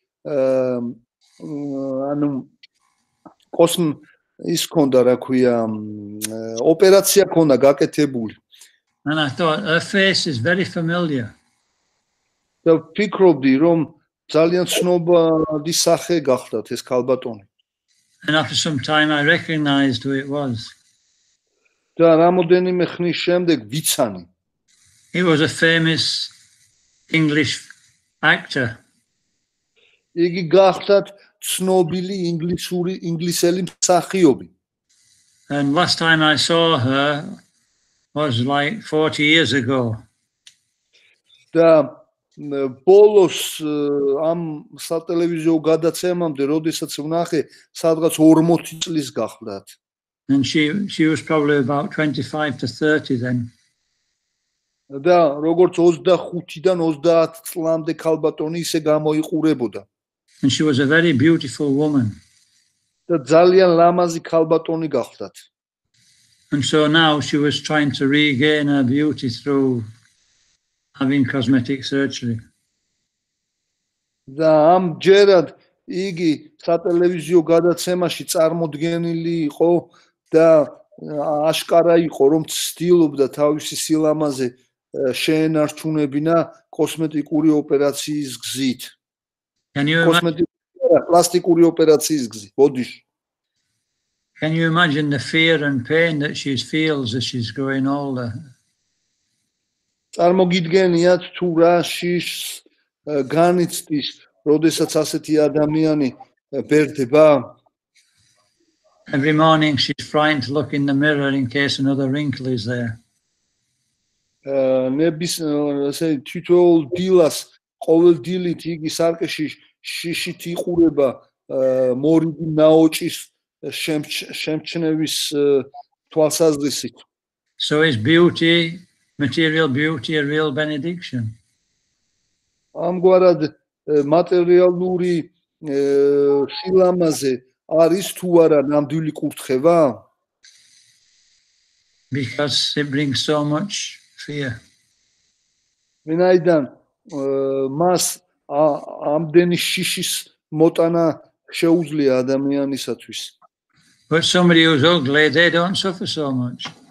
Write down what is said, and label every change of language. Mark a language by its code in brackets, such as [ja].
[ka] ანუ კოსმ ის ქონდა რა ქვია ოპერაცია ქონდა გაკეთებული. [en] And I thought her face is very familiar. [ka] The ფიქრობდი რომ ძალიან ცნობადი სახე გახლდათ ეს ქალბატონი. [en] And after some time I recognized who it was. [ka] და რამოდენიმე ხნის შემდეგ ვიცანი. [en] He was a famous English actor. [ka] იგი გახლდათ ცნობილი ინგლისური ინგლისელი მსახიობი. [en] And last time I saw her was like 40 years ago. [ka] და ბოლოს ამ სატელევიზიო გადაცემამდე როდესაც ვნახე სადღაც 40 წლის გახლდათ. [en] And she was probably about 25 to 30 then. [ka] და როგორც 25-დან 30 წლამდე ქალბატონი ისე გამოიყურებოდა. [en] And she was a very beautiful woman. [ka] და ძალიან ლამაზი ქალბატონი გახლდათ. [en] And so now she was trying to regain her beauty through having cosmetic surgery. [ka] და ამ ჯერად იგი სატელევიზიო გადაცემაში წარმოდგენილი იყო და აშკარა იყო რომ ცდილობდა თავისი სილამაზე შეენარჩუნებინა კოსმეტიკური ოპერაციის გზით. [en] Can you imagine [ka] პლასტიკური ოპერაციის გზით? ბოდიში. [en] Can you imagine the fear and pain that she feels as she's growing older? [ka] წარმოგიდგენიათ თუ რა შიშს განიცდის, როდესაც ასეთი ადამიანი ბერდება? [en] Every morning she's frightened to look in the mirror in case another wrinkle is there. [ka] ნების ასე თითოეულ დილას ყოველ დილით იგი სარკეში შიშით იყურება მორიგი ნაოჭის შემჩნევის თვალსაზრისით. [en] So is beauty, material beauty, a real benediction? [ka] ამგვარად მატერიალური სილამაზე არის თუ არა ნამდვილი კურთხევა? [en] Because it brings so much fear. [ka] ვინაიდან მას ამდენი შიშის მოტანა შეუძლია ადამიანისათვის? [en] But somebody who's ugly, they don't suffer so much.